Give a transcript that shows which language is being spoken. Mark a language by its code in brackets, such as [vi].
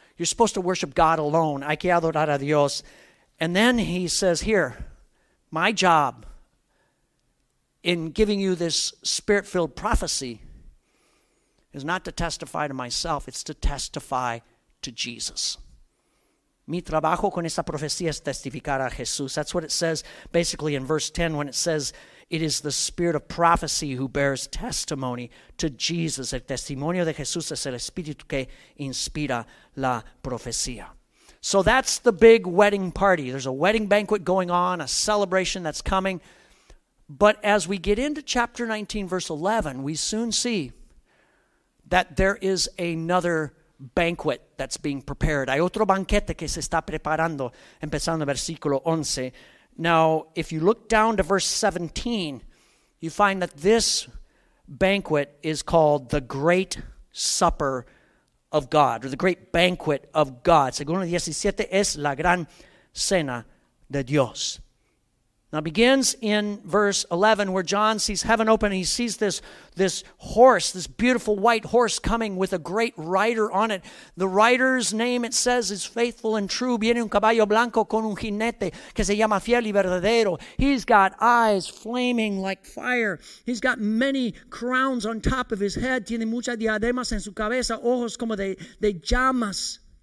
[en] You're supposed to worship God alone. [es] Hay que adorar a Dios. [en] And then he says, here, my job in giving you this spirit-filled prophecy is not to testify to myself, it's to testify to Jesus. [es] Mi trabajo con esa profecía es testificar a Jesús. [en] That's what it says basically in verse 10 when it says, it is the spirit of prophecy who bears testimony to Jesus. [es] El testimonio de Jesús es el espíritu que inspira la profecía. [en] So that's the big wedding party. There's a wedding banquet going on, a celebration that's coming. But as we get into chapter 19, verse 11, we soon see that there is another banquet that's being prepared. [es] Hay otro banquete que se está preparando, empezando versículo 11. [en] Now, if you look down to verse 17, you find that this banquet is called the Great Supper of God, or the Great Banquet of God. [es] Según el 17, es la gran cena de Dios. [en] Now, it begins in verse 11, where John sees heaven open, and he sees this horse, this beautiful white horse coming with a great rider on it. The rider's name, it says, is faithful and true. [es] Viene un caballo blanco con un jinete que se llama Fiel y Verdadero. [en] He's got eyes flaming like fire. He's got many crowns on top of his head. [es] Tiene muchas diademas en su cabeza, ojos como de llamas.